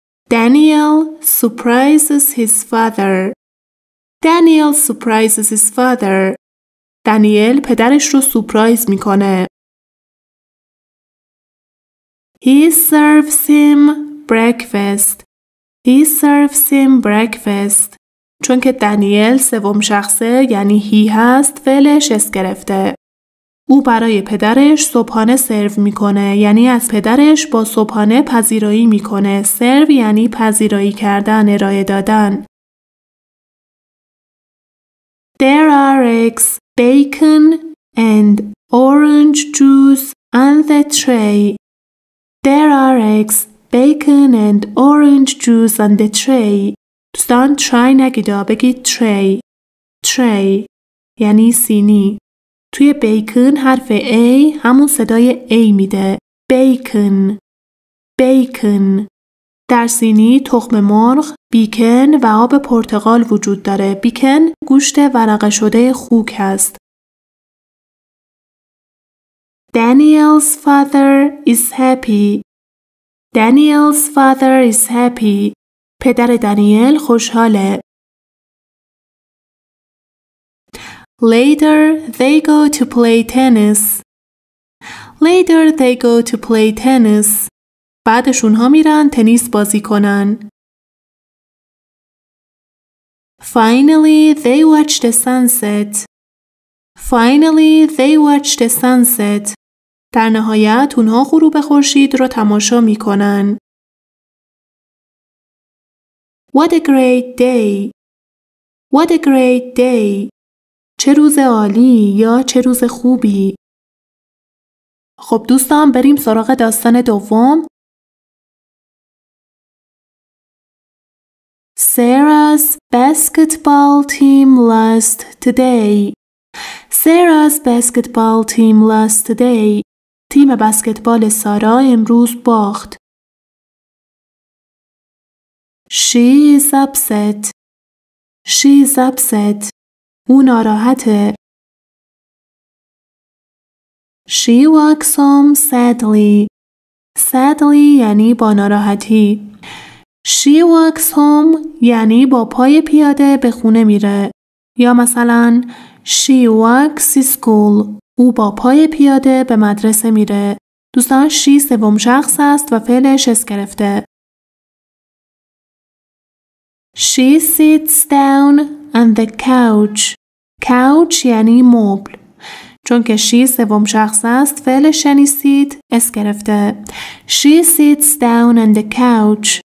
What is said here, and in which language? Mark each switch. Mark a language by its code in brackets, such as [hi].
[en] Daniel surprises his father. Daniel surprises his father. [fa] Daniel پدرش رو سورپرایز میکنه. [en] He serves him breakfast. He serves him breakfast. [fa] چون که دانیل سوم شخصه یعنی he هست، فعلش اس گرفته. او برای پدرش صبحانه سرو میکنه، یعنی از پدرش با صبحانه پذیرایی میکنه. سرو یعنی پذیرایی کردن، ارائه دادن. [en] There are eggs, bacon and orange juice on the tray. There are eggs, bacon and orange juice on the tray. [fa] دوستان try نگید، بگید tray. Tray یعنی سینی. توی بیکن حرف ای همون صدای ای میده. بیکن. بیکن. در سینی تخم مرغ، بیکن و آب پرتقال وجود داره. بیکن گوشت ورقه شده خوک هست. [en] Daniel's father is happy. Daniel's father is happy. [fa] پدر دانیل خوشحاله. [en] Later they go to play tennis. Later they go to play tennis. [fa] بعدشون ها میرن تنیس بازی کنن. [en] Finally they watch the sunset. Finally they watch the sunset. [fa] در نهایت اونها غروب خورشید رو تماشا میکنن. [en] What a great day. What a great day. [fa] چه روز عالی یا چه روز خوبی. خب دوستان بریم سراغ داستان دوم. [en] Sarah's basketball team lost today. Sarah's basketball team lost today. [fa] تیم بسکتبال سارا امروز باخت. [en] She is upset. She is upset. [fa] او ناراحته. [en] She walks home sadly. [fa] Sadly یعنی با ناراحتی. [en] She walks home [fa] یعنی با پای پیاده به خونه میره. یا مثلا [en] She walks to school. [fa] او با پای پیاده به مدرسه میره. دوستان she سوم شخص است و فعلش اس گرفته. [en] She sits down on the couch. [fa] کاوچ یعنی مبل. چون که شی سوم شخص است فعل شنی سید اس گرفته. [en] She sits down on the couch.